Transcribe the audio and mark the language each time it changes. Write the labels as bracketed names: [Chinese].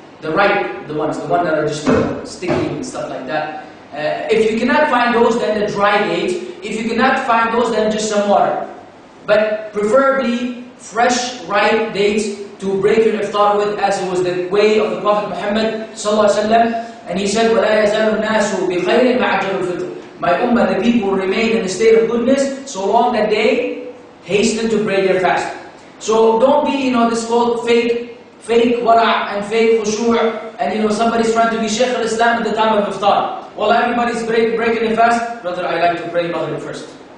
[English] The ripe, the ones, the ones that are just sticky and stuff like that. If you cannot find those, then the dry date. If you cannot find those, then just some water. But preferably, fresh, ripe dates to break your iftar with, as it was the way of the Prophet Muhammad ﷺ. And he said, [Arabic] وَلَا يَزَالُ النَّاسُ بِخَيْرٍ مَعَجَلُ الْفِطْرِ. [English] My ummah, the people will remain in a state of goodness so long that they hasten to break their fast. So don't be, you know, this whole fake wara' and fake khushu' and, you know, somebody's trying to be Shaykh al-Islam at the time of iftar. Well, everybody's breaking the fast. Brother, I like to pray Maghrib first.